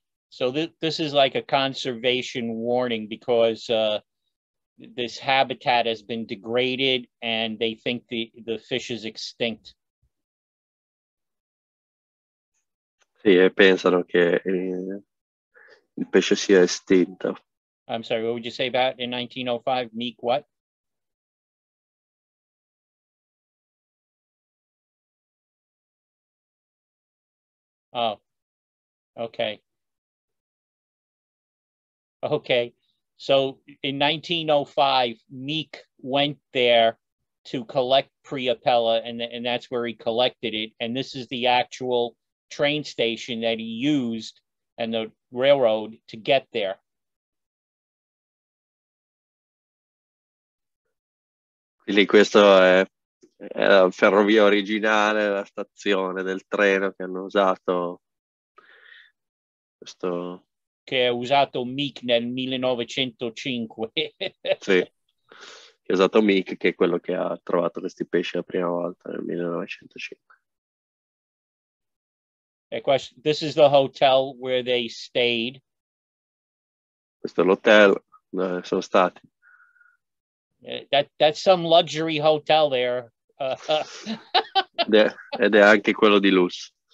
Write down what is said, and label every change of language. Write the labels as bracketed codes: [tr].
[en] So this is like a conservation warning because this habitat has been degraded and they think the fish is extinct. [it] Sì, e pensano che il pesce sia estinto. [en] I'm sorry, what would you say about in 1905? Meek what? Oh, okay. Okay, so in 1905, Meek went there to collect Priapella, and that's where he collected it. And this is the actual train station that he used and the railroad to get there. [it] Quindi questo è la ferrovia originale, la stazione del treno che hanno usato questo... che ha usato Meek nel 1905. Sì, che ha usato Meek, che è quello che ha trovato questi pesci la prima volta nel 1905. E questo, [en] this is the hotel where they stayed. [it] Questo è l'hotel dove sono stati. [en] That's some luxury hotel there. [it] ed è anche quello di lusso.